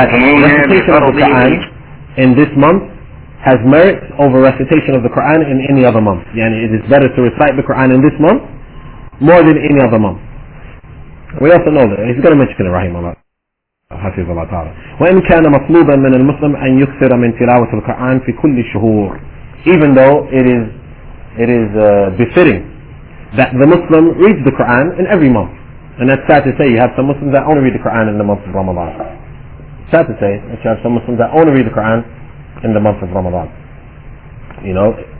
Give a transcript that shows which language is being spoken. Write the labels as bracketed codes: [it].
[en] يحيي in this month has merits over recitation of the Quran in any other month. Yani it is better to recite the Quran in this month more than any other month. We also know that he's going to mention it, rahimahullah, [ar] حفظ الله تعالى. وإن كان مطلوبا من المسلم أن يكثر من تلاوة القرآن في كل شهور. [en] Even though it is befitting that the Muslim reads the Quran in every month. And that's sad to say, you have some Muslims that only read the Quran in the month of Ramadan. Sad to say that you have some Muslims that only read the Quran in the month of Ramadan. You know?